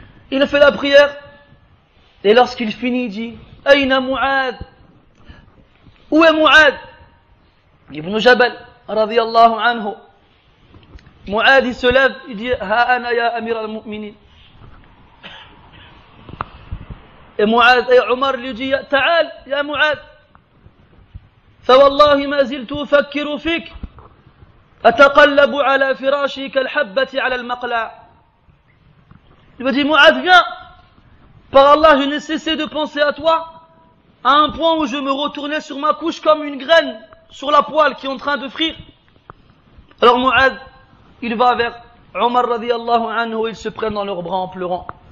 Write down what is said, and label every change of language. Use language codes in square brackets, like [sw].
[fr] Il a fait la prière et lorsqu'il finit, il dit « [ar] Aïna Mu'ad ?»« [fr] Où est Mu'ad ?» Ibn Jabal, [ar] radiyallahu anhu. [fr] Mu'ad, il se lève, il dit « [ar] Ha ana ya amir al-mu'minin ?» [fr] Et Mu'ad, et Omar lui dit « [ar] Ta'al, ya Mu'ad ?» فوالله ما زلت أفكر فيك أتقلب على فراشي كالحبة على المقلاع. [fr] Il me dit, Mouad, viens, par Allah, je n'ai cessé de penser à toi à un point où je me retournais sur ma couche comme une graine sur la poêle qui est en train de frire. Alors Mouad, il va vers Omar radiallahu anhu, ils se prennent dans leurs bras en pleurant.